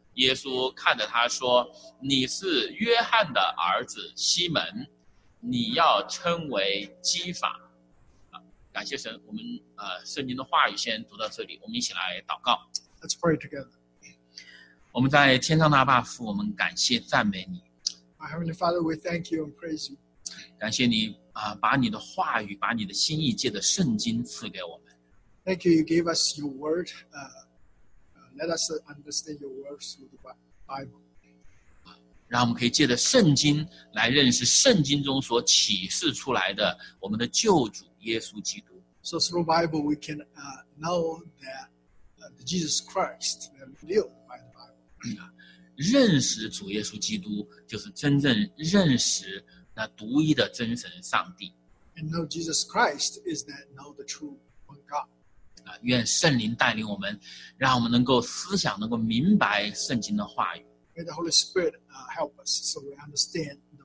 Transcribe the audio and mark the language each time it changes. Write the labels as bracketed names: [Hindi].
[Chinese] 耶稣看着他说，你是约翰的儿子西门，你要称为基法。感谢神，我们圣经的话语先读到这里，我们一起来祷告。 [English] Let's pray together. [Chinese] 我们在天上的阿爸父，我们感谢赞美你。 [English] My heavenly Father, we thank you and praise you. [Chinese] 感谢你把你的话语，把你的心意借着圣经赐给我们。 [English] Thank you, you gave us your word. Let us understand your word through the Bible. [Chinese] 让我们可以借着圣经来认识圣经中所启示出来的我们的救主。耶稣基督。 [English] So through Bible we can know that Jesus Christ revealed by the Bible. [Chinese] 认识主耶稣基督就是真正认识那独一的真神上帝。 [English] And know Jesus Christ is that know the true one God. [Chinese] 愿圣灵带领我们，让我们能够思想能够明白圣经的话语。 [English] May the Holy Spirit help us so we understand.